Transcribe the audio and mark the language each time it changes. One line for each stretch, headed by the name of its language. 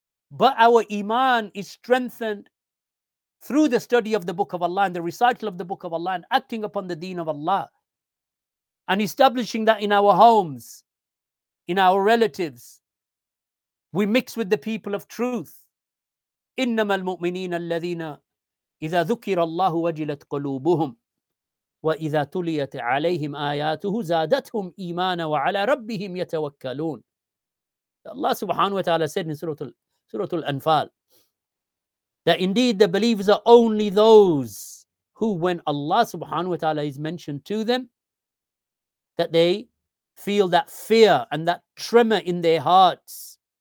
English: But our iman is strengthened through the study of the book of Allah and the recital of the book of Allah and acting upon the deen of Allah and establishing that in our homes, in our relatives. We mix with the people of truth.
Arabic: إنما المؤمنين الذين إذا ذكر الله وجلت قلوبهم وإذا تليت عليهم آياته زادتهم إيمانا وعلى ربهم يتوكلون.
English: Allah subhanahu wa ta'ala said in Surah Al-Anfal that indeed the believers are only those who, when Allah subhanahu wa ta'ala is mentioned to them, that they feel that fear and that tremor in their hearts.